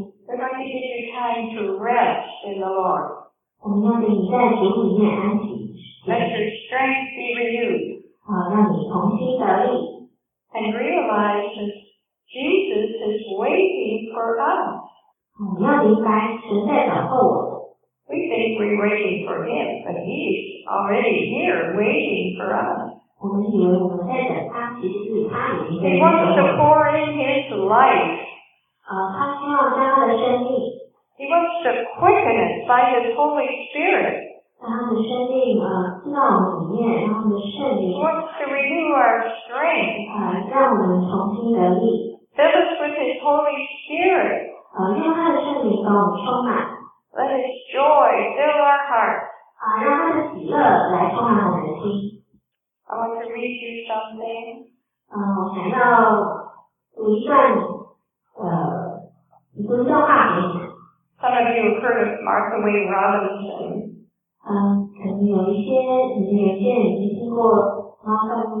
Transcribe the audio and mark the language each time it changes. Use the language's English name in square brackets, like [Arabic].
[English] We're going to give you time to rest in the Lord. [Chinese] 我们要给你在主里面安息。 [English] Let your strength be renewed. [Chinese] 让你重新得力。 [English] And realize that Jesus is waiting for us. [Chinese] 我们要明白神在等候我们。 [English] We think we're waiting for him, but he's already here waiting for us. [Chinese] 我们以为我们在等他，其实是他已经在等候我们。 [English] He wants to pour in his life. [Chinese] 他希望将他的生命 [English] He wants to quicken it by his Holy Spirit. [Chinese] 让他的生命进到我们里面，让他的圣灵 [English] He wants to renew our strength. [Chinese] 让我们重新得力 [English] Fill us with his Holy Spirit. [Chinese] 让他的圣灵把我们充满 [English] Let his joy fill our hearts. [Chinese] 让他的喜乐来充满我们的心 [English] I want to read you something. [Chinese] 我想要读一段一段话给你。 [English] Some of you have heard of Martha Wayne Robinson. [Chinese] 可能有一些人已经听过 Martha